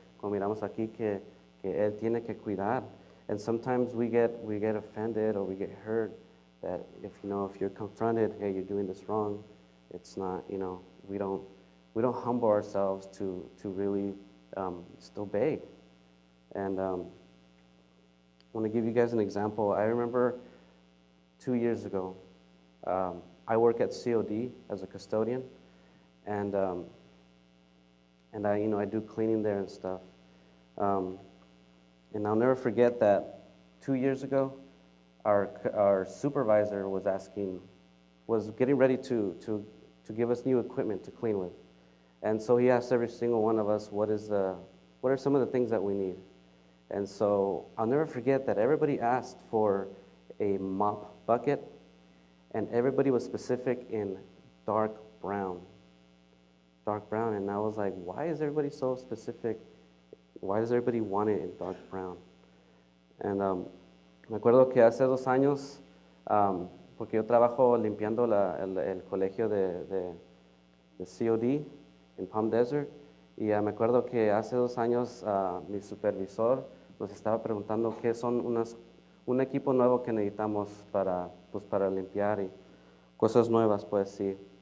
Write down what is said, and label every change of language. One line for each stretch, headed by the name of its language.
Spanish: Como miramos aquí que él tiene que cuidar.
English: And sometimes we get offended or we get hurt that if you're confronted, hey, you're doing this wrong. It's not, you know, we don't humble ourselves to really just obey. And I want to give you guys an example. I remember 2 years ago, I work at COD as a custodian, and I, you know, I do cleaning there and stuff. And I'll never forget that 2 years ago, our supervisor was asking, was getting ready to give us new equipment to clean with. And so he asked every single one of us, what are some of the things that we need? And so I'll never forget that everybody asked for a mop bucket, and everybody was specific in dark brown. Dark brown. And I was like, why is everybody so specific? Why does everybody want it in dark brown?
Spanish: And me acuerdo que hace dos años, porque yo trabajo limpiando el colegio de COD en Palm Desert, y me acuerdo que hace dos años mi supervisor nos estaba preguntando qué son un equipo nuevo que necesitamos para limpiar y cosas nuevas, pues sí.